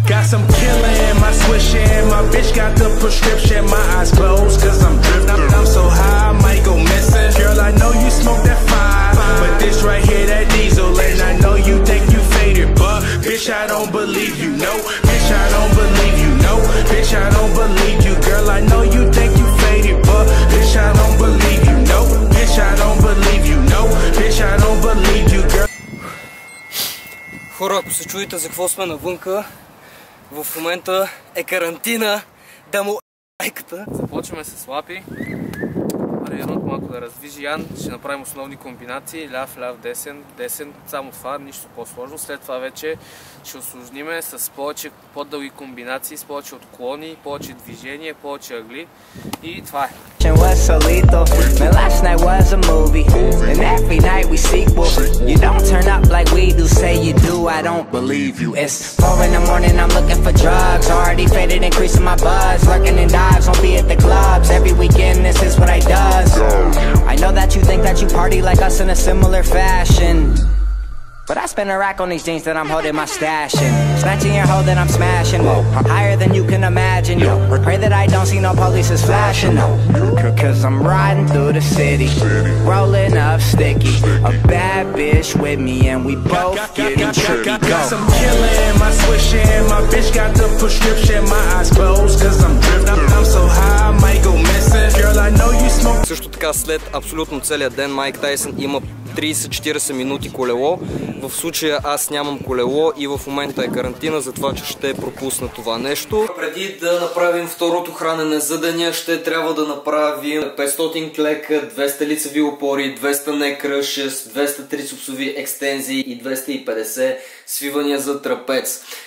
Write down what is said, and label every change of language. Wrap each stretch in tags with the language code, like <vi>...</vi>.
<en>I'm killing my swishing, my bitch got the prescription, my eyes closed cause I'm drifting, I'm so high I might go missing, girl I know you smoke that fire, but this right here that diesel, and I know you think you faded, but bitch I don't believe you, no, bitch I don't believe you, no, bitch I don't believe you, girl I know you think you faded, but bitch I don't believe you, no, bitch I don't believe you, no, bitch I don't believe you, girl.</en> <bg>Хора, ако се чудите за какво сме навънка, в момента е карантина, да му майката. Започваме с лапи. Районът малко да раздвижи Ян, ще направим основни комбинации. Ляв, ляв, десен, десен. Само това, нищо по-сложно. След това вече ще осложниме с повече по-дълги комбинации, с повече отклони, повече движение, повече агли. И това е.</bg> <en>Was so lethal. Man, last night was a movie. And every night we sequel. You don't turn up like we do. Say you do, I don't believe you. It's 4 in the morning, I'm looking for drugs. Already faded, increasing my buzz. Lurking in dives, won't be at the clubs. Every weekend, this is what I does. I know that you think that you party like us in a similar fashion. But I spend a rack on these jeans that I'm holding my stash in. Snatching your hoe that I'm smashing. Whoa. I'm higher than you can imagine. Yo. Pray that I don't see no police is flashing. No. Cause I'm riding through the city. Rolling up sticky. A bad bitch with me and we both getting tricky. Got some killing, my swishing. My bitch got the prescription. My eyes closed cause I'm drifting. I'm so high I might go missing. Girl, I know you smoke.</en> <bg>Също така след абсолютно целият ден Майк Тайсън има 30-40 минути колело. В случая аз нямам колело и в момента е карантина, затова че ще пропусна това нещо. Преди да направим второто хранене за деня, ще трябва да направим 500 клека, 200 лицеви опори, 200 некра, 6, 200 трицепсови екстензии и 250 свивания за трапец.</bg>